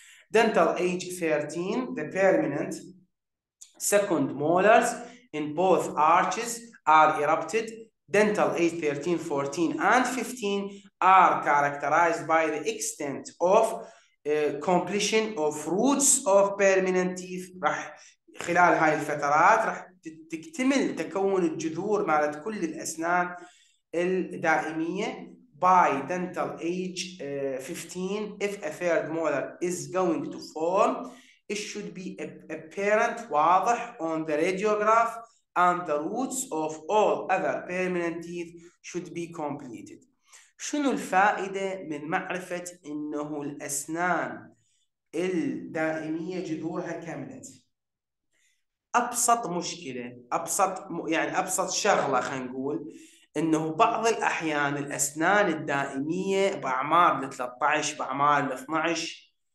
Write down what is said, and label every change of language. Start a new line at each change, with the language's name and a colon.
English: Dental age 13 the permanent second molars in both arches are erupted. Dental age 13, 14, and 15 are characterized by the extent of completion of roots of permanent teeth.
Arabic: راح خلال هاي الفترات راح تكتمل تكون الجذور مالت كل الأسنان الدائمية.
English: by dental age 15, if a third molar is going to form, it should be apparent, واضح, on the radiograph, and the roots of all other permanent teeth should be completed.
Arabic: شنو الفائدة من معرفة أنه الأسنان الدائمية جذورها كملت؟ أبسط مشكلة، أبسط يعني أبسط شغلة خلينا نقول، أنه بعض الأحيان الأسنان الدائمية بأعمار ال 13، بأعمار ال 12،